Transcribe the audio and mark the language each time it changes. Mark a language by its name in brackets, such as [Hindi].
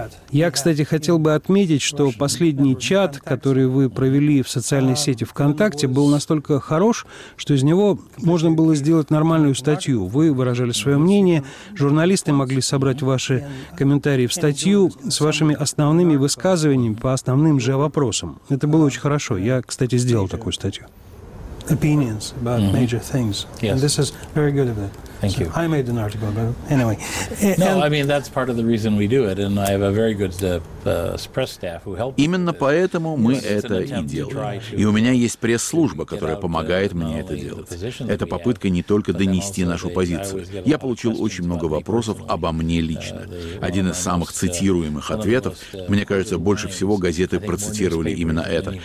[Russian] Я, кстати, хотел бы отметить, что последний чат, который вы провели в социальной сети ВКонтакте, был настолько хорош, что из него можно было сделать нормальную статью. Вы выражали свое мнение, журналисты могли собрать ваши комментарии в статью с вашими основными высказываниями по основным же вопросам. Это было очень хорошо. Я, кстати, сделал такую статью. [English] Opinions about major things. Yes. And this is very good of it. Thank you. I made an article, but anyway. That's part of the reason we do it, and I have a very good press staff who helped. [Russian] Именно поэтому мы это и делаем. И у меня есть пресс-служба, которая помогает мне это делать. Это попытка не только донести нашу позицию. Я получил очень много вопросов обо мне лично. Один из самых цитируемых ответов, мне кажется, больше всего газеты процитировали именно это.